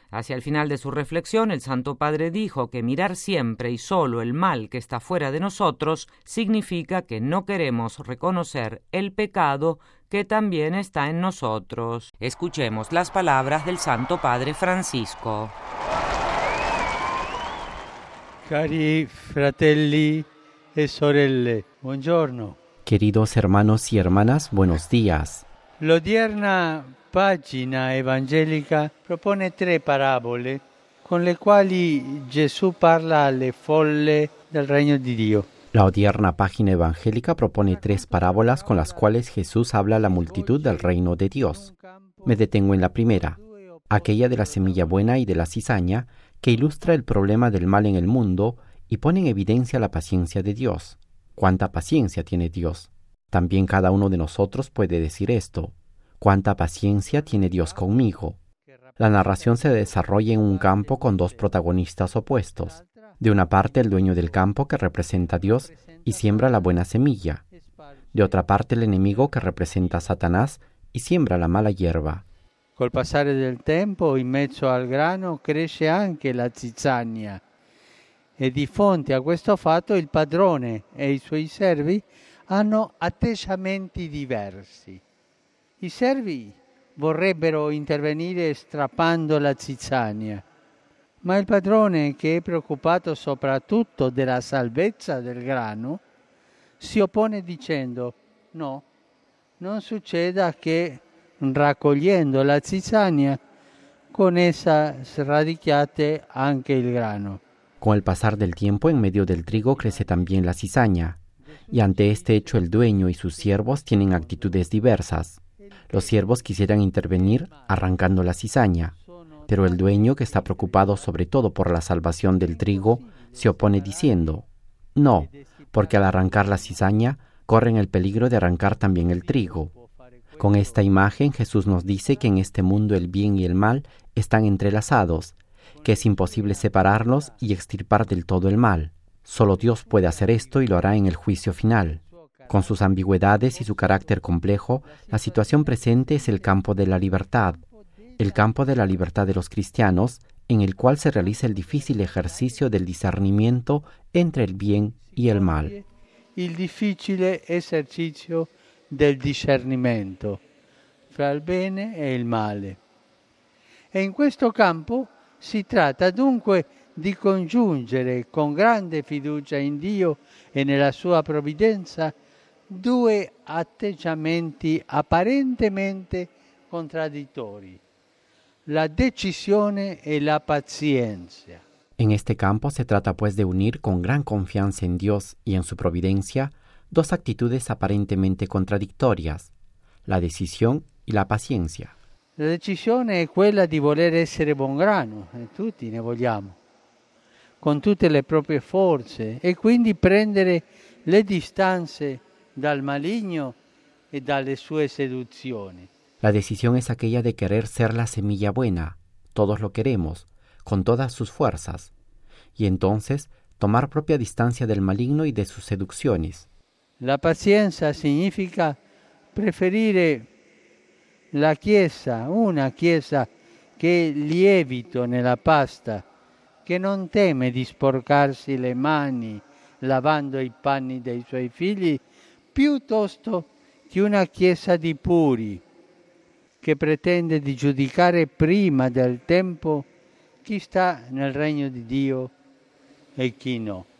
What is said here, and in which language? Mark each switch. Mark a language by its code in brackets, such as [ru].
[es] Hacia el final de su reflexión, el Santo Padre dijo que mirar siempre y solo el mal que está fuera de nosotros significa que no queremos reconocer el pecado que también está en nosotros. Escuchemos las palabras del Santo Padre Francisco. [it] Cari fratelli e sorelle, buongiorno. [es] Queridos hermanos y hermanas, buenos días. [it] L'odierna pagina evangelica propone tre parabole. con le quali Gesù parla alle folle del regno di Dio. [es] La odierna página evangélica propone tres parábolas con las cuales Jesús habla a la multitud del reino de Dios. Me detengo en la primera, aquella de la semilla buena y de la cizaña, que ilustra el problema del mal en el mundo y pone en evidencia la paciencia de Dios. ¿Cuánta paciencia tiene Dios? También cada uno de nosotros puede decir esto. ¿Cuánta paciencia tiene Dios conmigo? La narración se desarrolla en un campo con dos protagonistas opuestos. De una parte, el dueño del campo que representa a Dios y siembra la buena semilla. De otra parte, el enemigo que representa a Satanás y siembra la mala hierba. [it] Col passare del tempo, in mezzo al grano, cresce anche la zizzania. E di fronte a questo fatto, il padrone e i suoi servi hanno atteggiamenti diversi. I servi vorrebbero intervenire strappando la zizzania, ma il padrone, che è preoccupato soprattutto della salvezza del grano, si oppone dicendo: no, non succeda che raccogliendo la zizzania, con essa sradicchiate anche il grano. [es] Con el pasar del tiempo, en medio del trigo crece también la cizaña, y ante este hecho el dueño y sus siervos tienen actitudes diversas. Los siervos quisieran intervenir arrancando la cizaña, pero el dueño, que está preocupado sobre todo por la salvación del trigo, se opone diciendo: no, porque al arrancar la cizaña, corren el peligro de arrancar también el trigo. Con esta imagen, Jesús nos dice que en este mundo el bien y el mal están entrelazados, que es imposible separarlos y extirpar del todo el mal. Solo Dios puede hacer esto y lo hará en el juicio final. Con sus ambigüedades y su carácter complejo, la situación presente es el campo de la libertad, el campo de la libertad de los cristianos, en el cual se realiza el difícil ejercicio del discernimiento entre el bien y el mal. El difícil ejercicio del discernimiento fra el bien y el mal. En este campo [it] si trata dunque di congiungere con grande fiducia in Dio e nella sua provvidenza due atteggiamenti apparentemente contraddittori: la decisione e la pazienza. [es] En este campo se trata pues de unir con gran confianza en Dios y en su providencia dos actitudes aparentemente contraddittorias: la decisión y la paciencia. [it] La decisione è quella di voler essere buon grano, e tutti ne vogliamo, con tutte le proprie forze, e quindi prendere le distanze dal maligno e dalle sue seduzioni. [es] La decisión es aquella de querer ser la semilla buena, todos lo queremos, con todas sus fuerzas, y entonces tomar propia distancia del maligno y de sus seducciones. La paciencia significa [it] preferire la chiesa, una chiesa che lievito nella pasta, che non teme di sporcarsi le mani lavando i panni dei suoi figli, piuttosto che una chiesa di puri, che pretende di giudicare prima del tempo chi sta nel regno di Dio e chi no.